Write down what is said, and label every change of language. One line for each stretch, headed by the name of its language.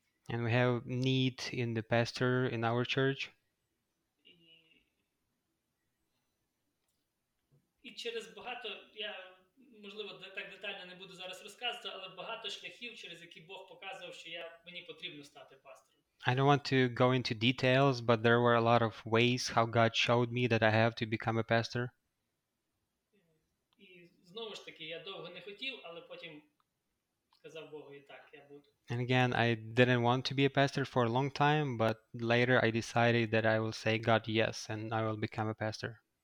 English: And we have need in the pastor in our church.
Ukrainian: І через багато, я, можливо, так детально не буду зараз розказувати, але багато шляхів, через які Бог показував, що я мені потрібно стати пастором.
English: I don't want to go into details, but there were a lot of ways how God showed me that I have to become a pastor.
Ukrainian: І знову ж таки, я довго не хотів, але потім сказав Богу, і так, я буду.
English: And again, I didn't want to be a pastor for a long time, but later I decided that I will say God yes, and I will become a pastor.